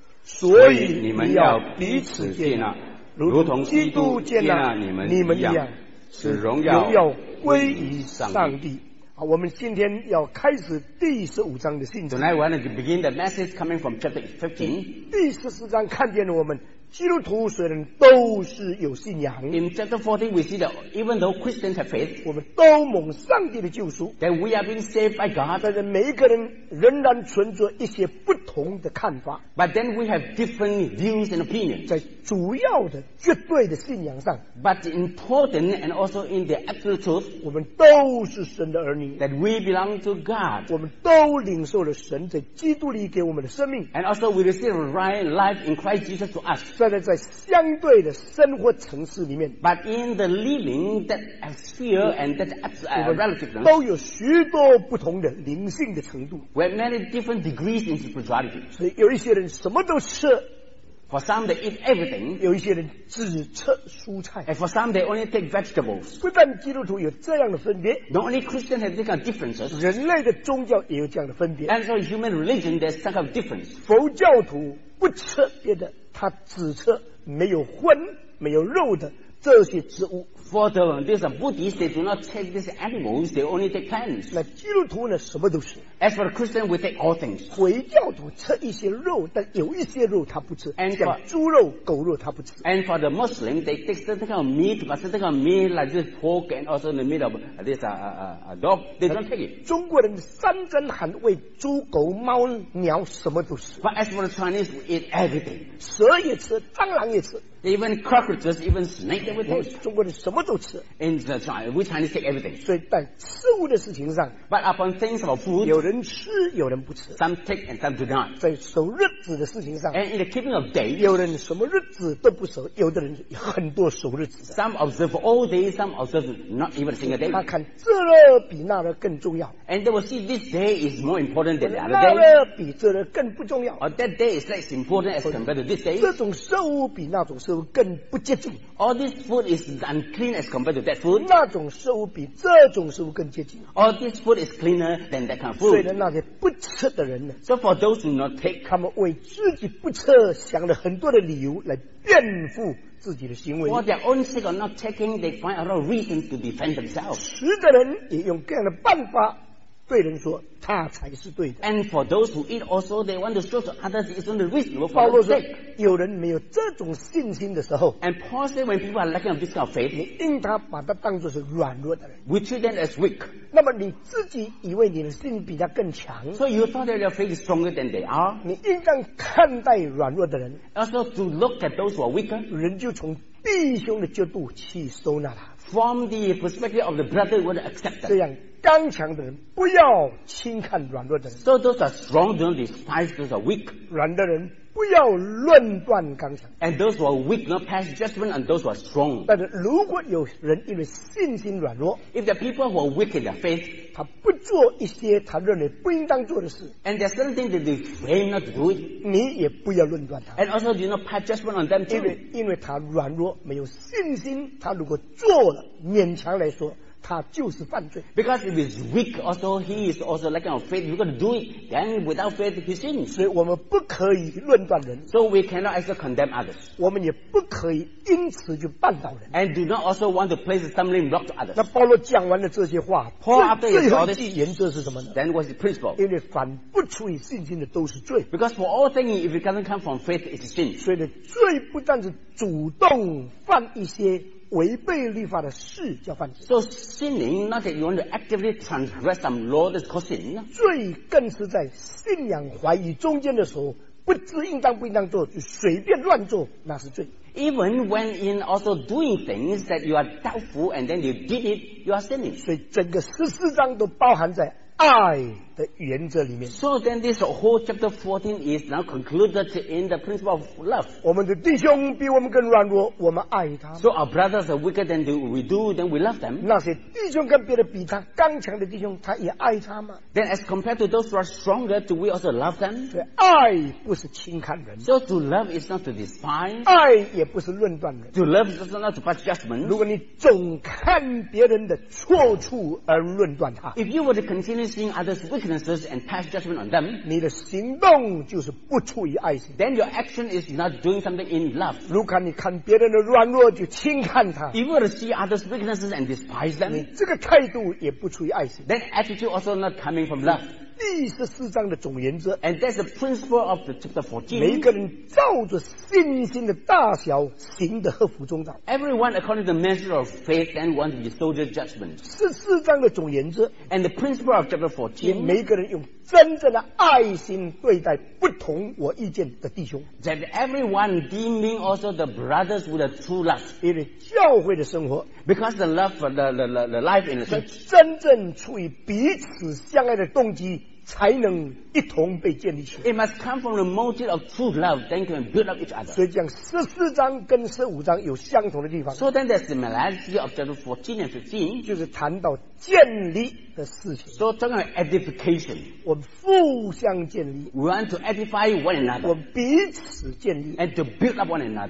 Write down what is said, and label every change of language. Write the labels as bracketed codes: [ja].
[zh] 所以你们要彼此接纳，如同基督接纳你们一样，是荣耀归于上帝。好，我们今天要开始第十五章的信息。 [en] Tonight we want to begin the message coming from chapter 15. [zh] 第十四章看见了我们基督徒虽然都是有信仰。 [en] In chapter 14, we see that even though Christians have faith, [zh] 我们都蒙上帝的救赎。 [en] Then we are being saved by God. [zh] 但是每一个人仍然存着一些不同的看法。 [en] But then we have different views and opinions. [zh] 在主要的、绝对的信仰上。 [en] But important and also in the absolute truth, [zh] 我们都是神的儿女。 [en] That we belong to God. [zh] 我们都领受了神在基督里给我们的生命。 [en] And also we receive right life in Christ Jesus to us. [zh] 站在相对的生活层次里面， [en] but in the living that sphere and that relative, [zh] 都有许多不同的灵性的程度， [en] we have many different degrees in spirituality. [zh] 所以有一些人什么都吃， [en] for some they eat everything. [zh] 有一些人只吃蔬菜， [en] and for some they only take vegetables. [zh] 不但基督徒有这样的分别， [en] not only Christians have different differences. [zh] 人类的宗教也有这样的分别， [en] and so human religion there's some kind of difference. [zh] 佛教徒不吃别的，他只吃没有荤没有肉的这些植物。 [en] For these Buddhists, they do not take these animals, they only take plants. [zh] 那基督徒呢什么都吃。 [en] As for the Christian, we take all things. [zh] 回教徒吃一些肉，但有一些肉他不吃，像猪肉狗肉他不吃。 [en] And for the Muslim, they take certain kind of meat, but certain kind of meat like this pork and also the meat of this dog, they don't take it. [zh] 中国人山珍海味猪狗猫鸟什么都吃。 [en] But as for the Chinese, we eat everything. [zh] 蛇也吃，蟑螂也吃。 [en] Even cockroaches, even snakes, everything. [zh] 中国人什么都吃。 [en] In the China, we Chinese take everything. [zh] 所以在吃物的事情上。 [en] But upon things about food, [zh] 有人吃，有人不吃。 [en] Some take and some do not. [zh] 在守日子的事情上。 [en] And in the keeping of days, [zh] 有人什么日子都不守，有的人很多守日子。 [en] Some observe all days, some observe not even a single day. [zh] 他看这个比那个更重要。 [en] And they will see this day is more important than the other day. [zh] 那个比这个更不重要。 [en] Or that day is less important as compared to this day. [zh] 这种食物比那种食物更不洁净。 [en] All this food is unclean as compared to that food. [zh] 那种食物比这种食物更洁净。 [en] All this food is cleaner than that kind of food. [zh] 所以那些不吃的人呢？ [en] So for those who not take, [zh] 他们为自己不吃想了很多的理由来辩护自己的行为。 [en] For their own sake of not taking, they find a lot of reason to defend themselves. [zh] 吃的人也用各样的办法对人说他才是对的。 [en] And for those who eat also, they want to show to others it's only reasonable for them to say. [zh] 有人没有这种信心的时候， [en] And Paul said when people are lacking of this kind of faith, [zh] 你应当把他当作是软弱的人。 [en] We treat them as weak. [zh] 那么你自己以为你的信比他更强， [en] So you thought that their faith is stronger than they are. [zh] 你应当看待软弱的人， [en] Also to look at those who are weaker. [zh] 人就从弟兄的角度去收纳他。 [en] From the perspective of the brother, you want to accept them. [zh] 这样刚强的人不要轻看软弱的人。 [en] So those are strong don't despise those are weak. [zh] 软的人不要论断刚强。 [en] And those who are weak not pass judgment on those who are strong. [zh] 但是如果有人因为信心软弱， [en] If the people who are weak in their faith, [zh] 他不做一些他认为不应当做的事， [en] And there's certain things that they claim not to do it, [zh] 你也不要论断他。 [en] And also do not pass judgment on them too. [zh] 因为他软弱没有信心，他如果做了勉强来说他就是犯罪。 [en] Because if he's weak, also he is also lacking of faith. You're going to do it, then without faith, he sins. [zh] 所以我们不可以论断人。 [en] So we cannot also condemn others. [zh] 我们也不可以因此就绊倒人。 [en] And do not also want to place stumbling block to others. [zh] 那保罗讲完了这些话， [en] Paul after his thought, [zh] 最后一句原则是什么呢？ [en] Then what's the principle? [zh] 因为凡不出于信心的都是罪。 [en] Because for all things, if it doesn't come from faith, it's sin. [zh] 所以呢，罪不但是主动犯一些违背律法的事叫犯罪。 [en] So sinning, not that you want to actively transgress some law that's causing. [zh] 罪更是在信仰怀疑中间的时候，不知应当不应当做，随便乱做，那是罪。 [en] Even when in also doing things that you are doubtful and then you did it, you are sinning. [zh] 所以整个十四章都包含在爱的原则里面。 [en] So then this whole chapter 14 is now concluded in the principle of love. [zh] 我们的弟兄比我们更软弱，我们爱他。 [en] So our brothers are weaker than we do, then we love them. [zh] 那些弟兄跟别人比他刚强的弟兄，他也爱他吗？ [en] Then as compared to those who are stronger, do we also love them? [zh] 所以爱不是轻看人。 [en] So to love is not to despise. [zh] 爱也不是论断人。 [en] To love is not to pass judgment. [zh] 如果你总看别人的错处而论断他。 [en] If you were to continue seeing others' weaknesses and pass judgment on them, [zh] 你的行动就是不出于爱心。 [en] Then your action is not doing something in love. [zh] 如果你看别人的软弱就轻看他。 [en] If you were to see others' weaknesses and despise them, [zh] 你这个态度也不出于爱心。 [en] That attitude also not coming from love. [zh] 第十四章的总原则。 [en] And that's the principle of the chapter 14. [zh] 每个人照着信心的大小行得合乎中道。 [en] Everyone according to the measure of faith and one to be soldier judgment. [zh] 十四章的总原则。 [en] And the principle of chapter 14. [zh] 每个人用真正的爱心对待不同我意见的弟兄。 [en] That everyone deeming also the brothers with a true love. [zh] 因为教会的生活。 [en] Because the love for the life in the church. [zh] 是真正出于彼此相爱的动机。才能一同被建立起来。 [en] It must come from the motive of true love, then can build up each other. [zh] 所以讲十四章跟十五章有相同的地方。 [en] So then there's similarity of chapter 14 and 15, [zh] 就是谈到建立的事情。 [en] So talking about edification, [zh] 我们互相建立。 [en] We want to edify one another. [zh] 我们彼此建立。 [en] And to build up one another.